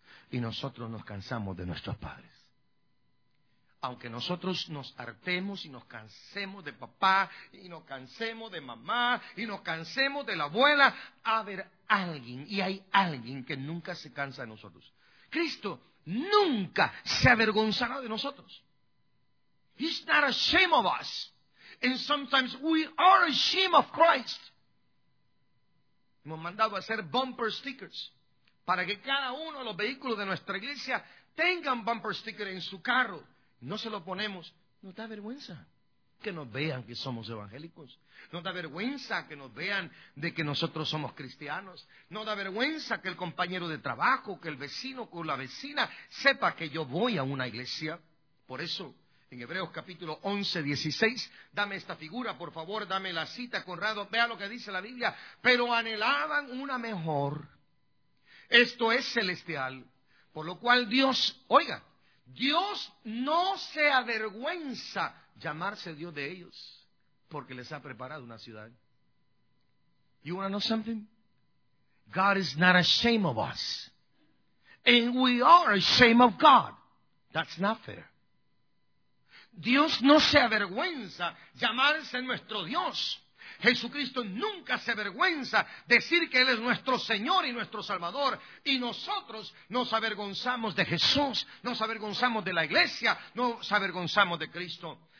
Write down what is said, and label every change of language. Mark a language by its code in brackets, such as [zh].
[es] Y nosotros nos cansamos de nuestros padres. Aunque nosotros nos hartemos y nos cansemos de papá, y nos cansemos de mamá, y nos cansemos de la abuela, hay alguien que nunca se cansa de nosotros. Cristo nunca se avergonzará de nosotros. [en] He's not ashamed of us. And sometimes we are ashamed of Christ. [es] Hemos mandado a hacer bumper stickers. Para que cada uno de los vehículos de nuestra iglesia tengan bumper sticker en su carro. No se lo ponemos. Nos da vergüenza que nos vean que somos evangélicos. Nos da vergüenza que nos vean de que nosotros somos cristianos. Nos da vergüenza que el compañero de trabajo, que el vecino o la vecina sepa que yo voy a una iglesia. Por eso, en Hebreos capítulo 11, 16, dame esta figura, por favor, dame la cita, Conrado. Vea lo que dice la Biblia. Pero anhelaban una mejor. Esto es celestial, por lo cual Dios, oiga, Dios no se avergüenza llamarse Dios de ellos, porque les ha preparado una ciudad. [en] You want to know something? God is not ashamed of us. And we are ashamed of God. That's not fair. [es] Dios no se avergüenza llamarse nuestro Dios. Jesucristo nunca se avergüenza decir que Él es nuestro Señor y nuestro Salvador. Y nosotros nos avergonzamos de Jesús, nos avergonzamos de la iglesia, nos avergonzamos de Cristo.